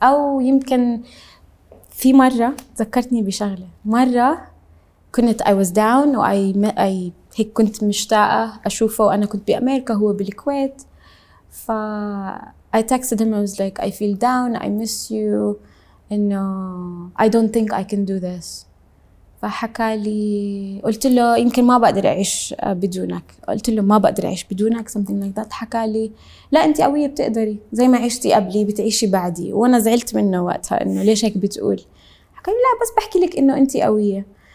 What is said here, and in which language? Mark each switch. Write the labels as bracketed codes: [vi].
[ar] أو يمكن في مرة ذكرتني بشغلة مرة كنت I was down و I هيك كنت مشتاقة أشوفه وأنا كنت بأمريكا هو بالكويت. [en] ف I texted him I was like I feel down I miss you and I don't think I can do this. [ar] فحكى لي قلت له يمكن ما بقدر اعيش بدونك. قلت له ما بقدر اعيش بدونك something like that. حكى لي لا انت قويه بتقدري زي ما عشتي قبلي بتعيشي بعدي. وانا زعلت منه وقتها انه ليش هيك بتقول. حكى لي لا بس بحكي لك انه انت قويه.